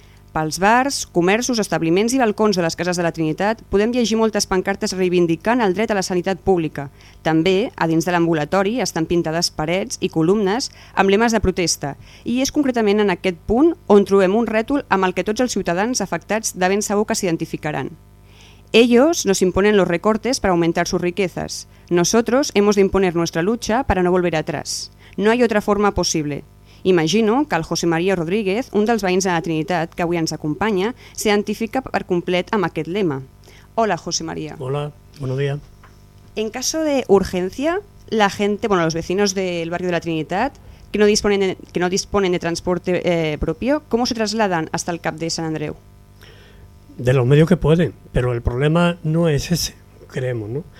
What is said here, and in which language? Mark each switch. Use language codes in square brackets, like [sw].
[ca] Pels bars, comerços, establiments i balcons de les cases de la Trinitat podem llegir moltes pancartes reivindicant el dret a la sanitat pública. També, a dins de l'ambulatori, estan pintades parets i columnes amb lemes de protesta. I és concretament en aquest punt on trobem un rètol amb el que tots els ciutadans afectats de ben segur que s'identificaran. [es] Ellos nos imponen los recortes para aumentar sus riquezas. Nosotros hemos de imponer nuestra lucha para no volver atrás. No hay otra forma posible. [ca] Imagino que el José María Rodríguez, un dels veïns de la Trinitat que avui ens acompanya, s'identifica per complet amb aquest lema. Hola, José María. [es] Hola, buenos días. En caso de urgencia, la gente, bueno, los vecinos del barrio de la Trinitat, que no disponen de transporte propio, ¿cómo se trasladan hasta el CAP de Sant Andreu? De los medios que pueden, pero el problema no es ese, creemos, ¿no?